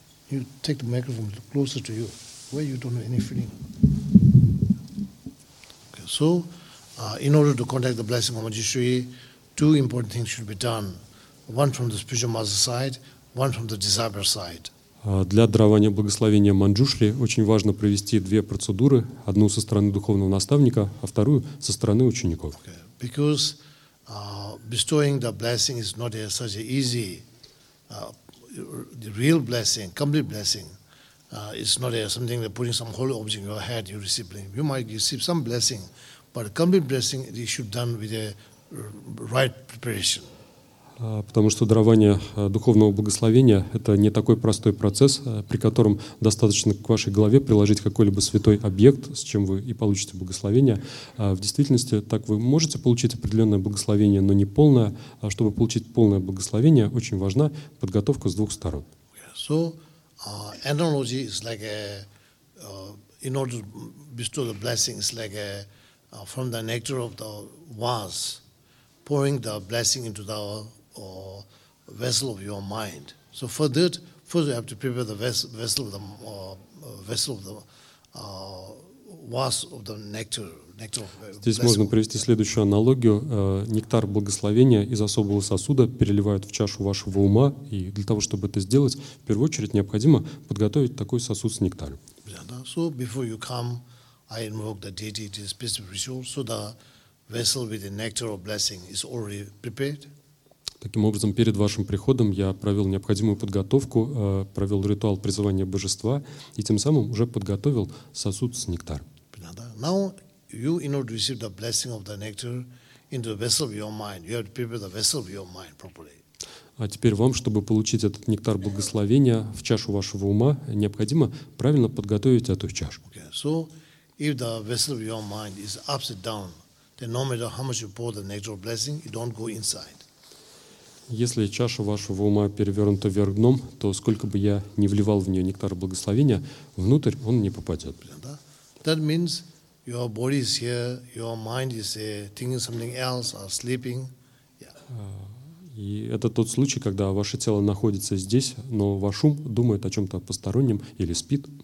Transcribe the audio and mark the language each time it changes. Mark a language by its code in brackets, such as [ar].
[en] You take the microphone closer to you, where you don't have any feeling. Okay, so, in order to contact the blessing of Manjushri, two important things should be done. One from the spiritual master side, one from the disciple side. [ru] Для дарования благословения Манджушри очень важно провести две процедуры. Одну со стороны духовного наставника, а вторую со стороны учеников. [en] Okay, because bestowing the blessing is not such an easy the real blessing, complete blessing, is not something that putting some holy object in your head, you receive blessing. You might receive some blessing, but a complete blessing it should be done with a right preparation. [ru] Потому что дарование духовного благословения — это не такой простой процесс, при котором достаточно к вашей голове приложить какой-либо святой объект, с чем вы и получите благословение. В действительности, так вы можете получить определенное благословение, но не полное. А чтобы получить полное благословение, очень важна подготовка с двух сторон. [en] So, analogy is like a, in order to bestow the blessing, it's like a, from the nectar of the vase, pouring the blessing into the or vessel of your mind. So for that, first you have to prepare the vase of the nectar. [ru] Здесь можно привести следующую аналогию. Нектар благословения из особого сосуда переливают в чашу вашего ума, и для того, чтобы это сделать, в первую очередь необходимо подготовить такой сосуд с нектаром. [en] So before you come, I invoke the deity, it is a specific ritual, so the vessel with the nectar of blessing is already prepared. [ru] Таким образом, перед вашим приходом я провел необходимую подготовку, провел ритуал призывания божества и тем самым уже подготовил сосуд с нектаром. [en] Now you, in order to receive the blessing of the nectar into the vessel of your mind, you have to prepare the vessel of your mind properly. [ru] А теперь вам, чтобы получить этот нектар благословения в чашу вашего ума, необходимо правильно подготовить эту чашу. [en] Okay. So if the vessel of your mind is upside down, then no matter how much you pour the nectar of blessing, it don't go inside. [ru] Если чаша вашего ума перевернута вверх дном, то сколько бы я ни вливал в нее нектар благословения, внутрь он не попадет. [en] That means your body is here, your mind is thinking something else or sleeping. Yeah. [ru] И это тот случай, когда ваше тело находится здесь, но ваш ум думает о чем-то постороннем или спит.